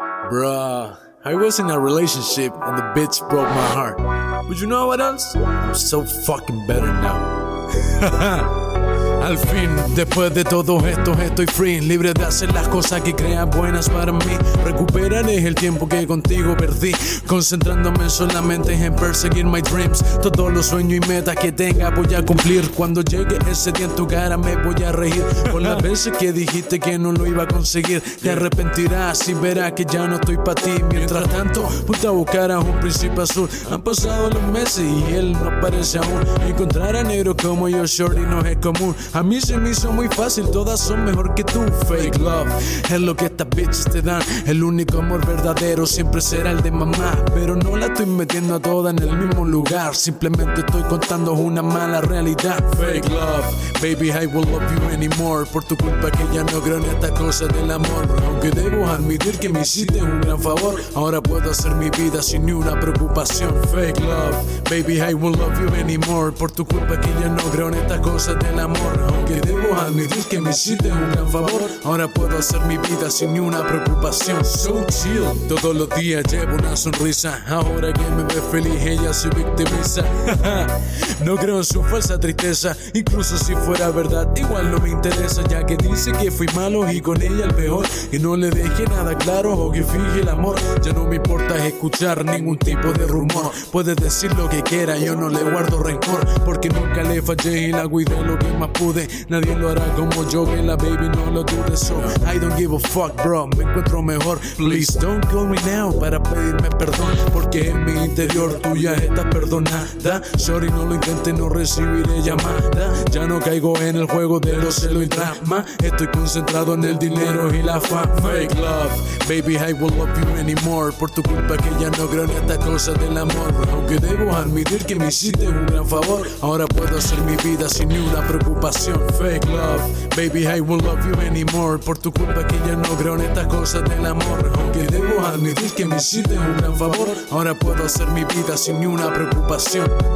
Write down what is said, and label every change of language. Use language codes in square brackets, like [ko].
[en] Bruh, I was in a relationship and the bitch broke my heart. But you know what else? I'm so fucking better now. [es] Al fin, después de todo esto, estoy free. Libre de hacer las cosas que crean buenas para mí. Recuperaré el tiempo que contigo perdí. Concentrándome solamente en perseguir [en] my dreams. [es] Todos los sueños y metas que tenga voy a cumplir. Cuando llegue ese día en tu cara me voy a reír. Con las veces que dijiste que no lo iba a conseguir. Te arrepentirás y verás que ya no estoy pa' ti. Mientras tanto, ponte a buscar a un príncipe azul. Han pasado los meses y él no aparece aún. Encontrar a negro como yo, shorty, no es común. A mí se me hizo muy fácil, todas son mejor que tú. [en] Fake love, [es] es lo que estas bitches te dan. El único amor verdadero siempre será el de mamá. Pero no la estoy metiendo a todas en el mismo lugar. Simplemente estoy contando una mala realidad. [en] Fake love, baby I will love you anymore. [es] Por tu culpa que ya no creo en esta cosa del amor. Aunque debo admitir que me hiciste un gran favor. Ahora puedo hacer mi vida sin ni una preocupación. [en] Fake love, baby I will love you anymore. [es] Por tu culpa que ya no creo en esta cosa del amor. Aunque debo admitir que me hiciste un gran favor. Ahora puedo hacer mi vida sin ni una preocupación. [en] So chill. [es] Todos los días llevo una sonrisa. Ahora que me ve feliz ella se victimiza. No creo en su falsa tristeza. Incluso si fuera verdad igual no me interesa. Ya que dice que fui malo y con ella el peor. Y no le dejé nada claro o que finge el amor. Ya no me importa escuchar ningún tipo de rumor. Puede decir lo que quiera, yo no le guardo rencor. Porque nunca le fallé y la cuidé lo que más pude. Nadie lo hará como yo, que la baby no lo dude. [en] So I don't give a fuck, bro, [es] me encuentro mejor. [en] Please don't call me now [es] para pedirme perdón. Porque en mi interior tuya está perdonada. Sorry, no lo intente, no recibiré llamada. Ya no caigo en el juego de los celos y drama. Estoy concentrado en el dinero y la fama. [en] Fake love, baby I will love you anymore. [es] Por tu culpa que ya no creo en esta cosa del amor. Aunque debo admitir que me hiciste un gran favor. Ahora puedo hacer mi vida sin ni una preocupación. [en] Fake love, baby I won't love you anymore. [es] Por tu culpa que ya no creo en estas cosas del amor. Aunque debo admitir que me hiciste un gran favor. Ahora puedo hacer mi vida sin ni una preocupación.